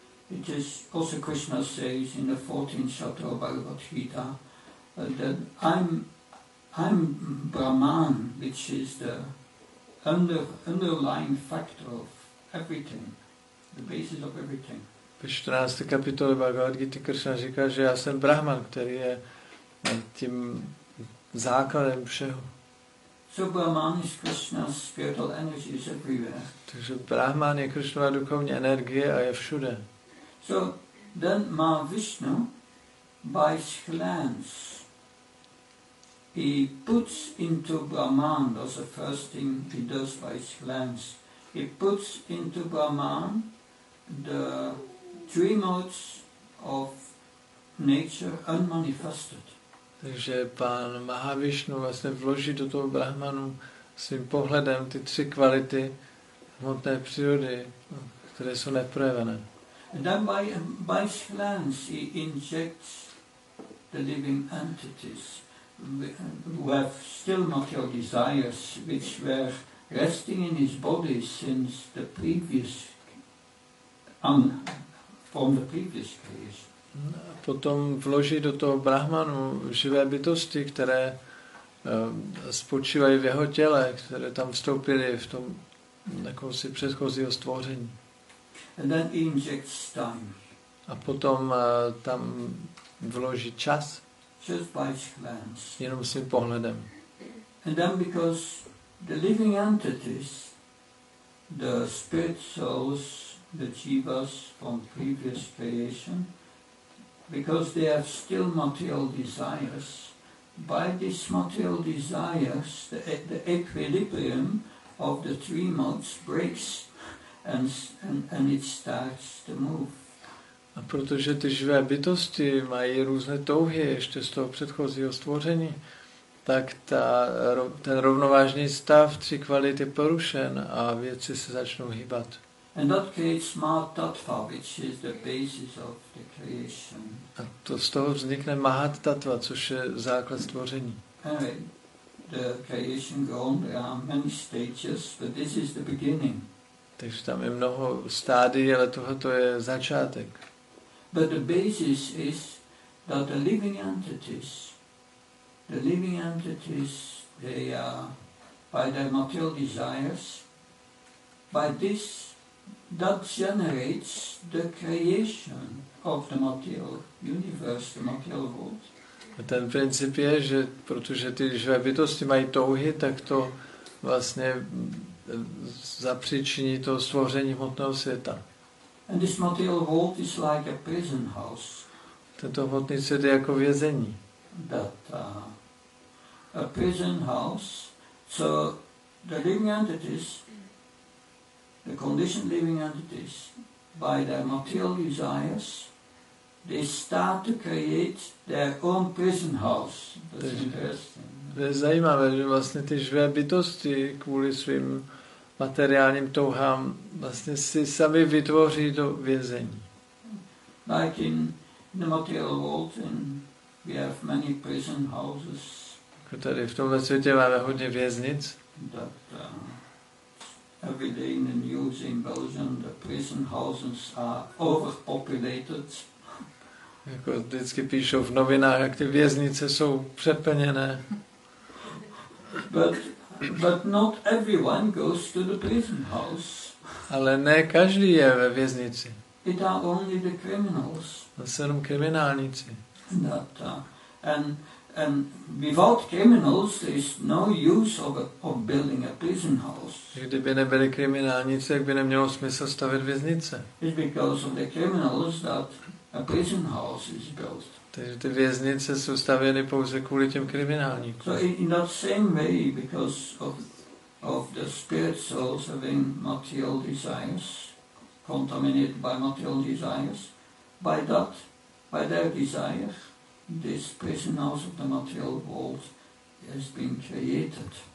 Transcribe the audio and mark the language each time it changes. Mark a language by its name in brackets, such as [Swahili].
[English] It is also Krishna says in the 14th chapter of Bhagavad Gita that I'm Brahman, which is the underlying factor of everything, the basis of everything. [Czech] V 14. kapitole Bhagavad Gita Krishna říká, že já jsem Brahman, který je tím základem všeho. [English] So Brahman is Krishna's spiritual energy is everywhere. [Czech] Takže Brahman je Krishnova duchovní energie a je všude. [English] So then Mahavishnu, by his glance, he puts into Brahman, that's the first thing he does by his glance, he puts into Brahman the three modes of nature unmanifested. [Czech] Takže pán Mahavishnu vlastně vloží do toho Brahmanu svým pohledem ty tři kvality hmotné přírody, které jsou neprojevené. [English] And then by his glance he injects the living entities who have still material desires which were resting in his body since the previous from the previous creation. [Czech] Potom vloží do toho Brahmanu živé bytosti, které spočívají v jeho těle, které tam vstoupily v tom jakousi předchozího stvoření. [English] And then injects time. [Czech] A potom tam vloží čas [English] just by his glance. [Czech] Jenom svým pohledem. [English] And then because the living entities, the spirit souls, the jivas from previous creation, because they have still material desires, by these material desires, the equilibrium of the three modes breaks, and it starts to move. [Czech] A protože ty živé bytosti mají různé touhy ještě z toho předchozího stvoření, tak ten rovnovážný stav tří kvalit je porušen a věci se začnou hýbat. [English] And that creates Mahatattva, which is the basis of the creation. [Czech] A to z toho vznikne Mahatattva, což je základ stvoření. [English] Anyway, the creation goes on many stages, but this is the beginning. [Czech] Takže tam je mnoho stádií, ale tohoto je začátek. [English] But the basis is that the living entities, they are by their material desires, By this, that generates the creation of the material universe, the material world. [Czech] A ten princip je, že protože ty živé bytosti mají touhy, tak to vlastně zapříčiní to stvoření hmotného světa. [English] And this material world is like a prison house. [Czech] Tento hmotný svět je jako vězení. [English] That, a prison house, so the living entities, the conditioned living entities, by their material desires, they start to create their own prison house. That's interesting. [Czech] To je zajímavé, že vlastně ty živé bytosti kvůli svým materiálním touhám vlastně si sami vytvoří to vězení. [English] Like in the material world, in we have many prison houses. [Czech] Tady v tomhle světě máme hodně věznic. [English] That, every day in the news in Belgium, the prison houses are overpopulated. [Czech] Jako vždycky píšou v novinách, jak ty věznice jsou přeplněné. [English] But not everyone goes to the prison house. [Czech] Ale ne každý je ve věznici. [English] It are only the criminals. [Czech] Jsou kriminálníci. [English] That, and without criminals there is no use of building a prison house. [Czech] Kdyby nebyli kriminálníci, tak by nemělo smysl stavět věznice. [English] It's because of the criminals that a prison house is built. [Czech] Takže ty věznice jsou stavěny pouze kvůli těm kriminálníkům. [English] So in that same way, because of the spirit souls having material desires, contaminated by material desires, by their desire, this prison house of the material world has been created.